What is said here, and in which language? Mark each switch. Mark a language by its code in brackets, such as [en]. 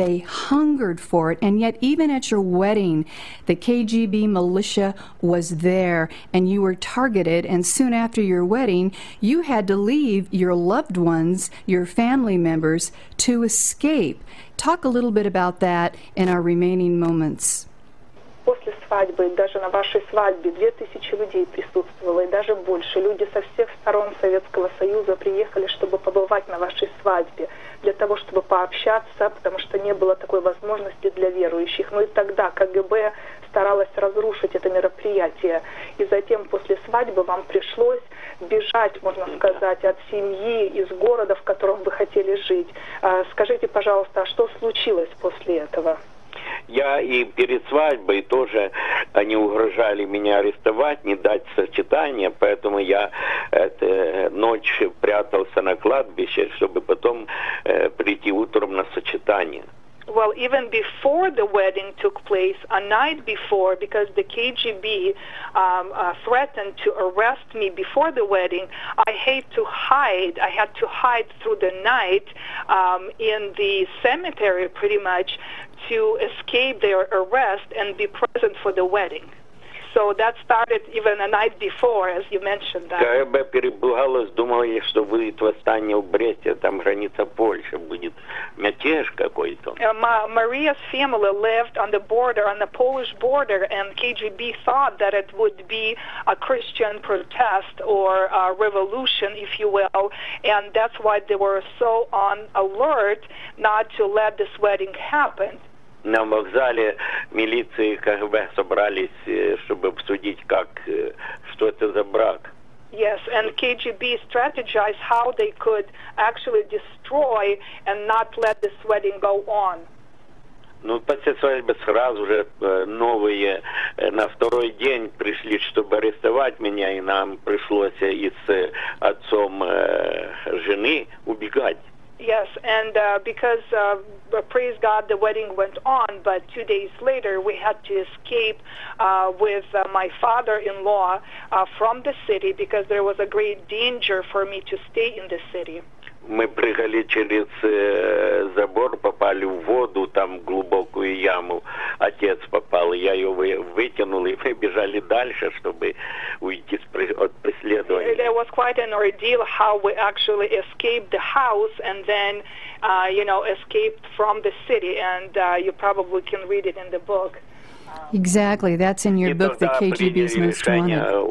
[en] They hungered for it, and yet even at your wedding, the KGB militia was there, and you were targeted, and soon after your wedding, you had to leave your loved ones, your family members, to escape. Talk a little bit about that in our remaining moments. [ru] После свадьбы, даже на вашей свадьбе, 2000 людей присутствовало, и даже больше. Люди со всех сторон Советского Союза приехали, чтобы побывать на вашей свадьбе, для того, чтобы пообщаться, потому что не было такой возможности для верующих. Ну и тогда КГБ старалось разрушить это мероприятие. И затем после свадьбы вам пришлось бежать, можно сказать, от семьи, из города, в котором вы хотели жить. Скажите, пожалуйста, а что случилось после этого? Я и перед свадьбой тоже, они угрожали меня арестовать, не дать сочетания, поэтому я ночь прятался на кладбище, чтобы потом прийти утром на сочетание. [en] Well, even before the wedding took place, a night before, because the KGB threatened to arrest me before the wedding, I had to hide through the night in the cemetery, pretty much, to escape their arrest and be present for the wedding. So that started even a night before, as you mentioned that. [ru] КГБ перепугалось, думали, что будет восстание в Бресте, там граница Польши, будет мятеж какой-то. [en] Maria's family lived on the border, on the Polish border, and KGB thought that it would be a Christian protest or a revolution, if you will, and that's why they were so on alert not to let this wedding happen. [ru] На вокзале милиции КГБ собрались, чтобы обсудить, как, что это за брак. [en] Yes, and KGB strategized how they could actually destroy and not let this wedding go on. [ru] Ну, после свадьбы сразу же новые на второй день пришли, чтобы арестовать меня, и нам пришлось и с отцом жены убегать. [en] Yes, and because praise God, the wedding went on, but 2 days later we had to escape with my father-in-law from the city because there was a great danger for me to stay in the city. [ru] Ми пригали через забор, попали в воду, там глубокую яму. Отец попал, [uk] я його витягнув, і ми біжали далі, щоб уйти від преследування. [en] There was quite an ordeal how we actually escaped the house and then, you know, escaped from the city. And you probably can read it in the book. Exactly, that's in your book, The KGB's Most Wanted.